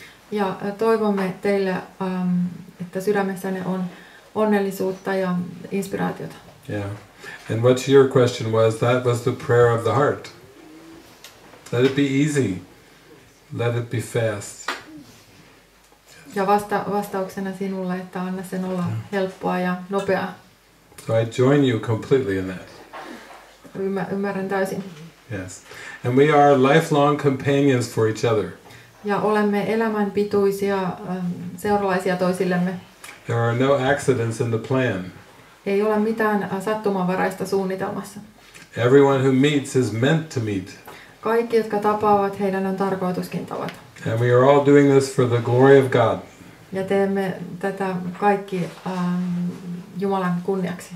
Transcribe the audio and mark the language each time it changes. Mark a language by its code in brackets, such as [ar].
[fi] Ja toivomme teille, että sydämessänne on onnellisuutta ja inspiraatiota. [en] Yeah. And what your question was, that was the prayer of the heart. Let it be easy. Let it be fast. [fi] Ja vastauksena sinulle, että anna sen olla helppoa ja nopeaa. [en] So I join you completely in that. [fi] Ymmärrän täysin. [en] Yes. And we are lifelong companions for each other. [fi] Ja olemme elämänpituisia seuralaisia toisillemme. [en] There are no accidents in the plan. [fi] Ei ole mitään sattumanvaraista suunnitelmassa. [en] Everyone who meets is meant to meet. [fi] Kaikki, jotka tapaavat, heidän on tarkoituskin tavata. [en] And we are all doing this for the glory of God. [fi] Ja teemme tätä kaikki Jumalan kunniaksi.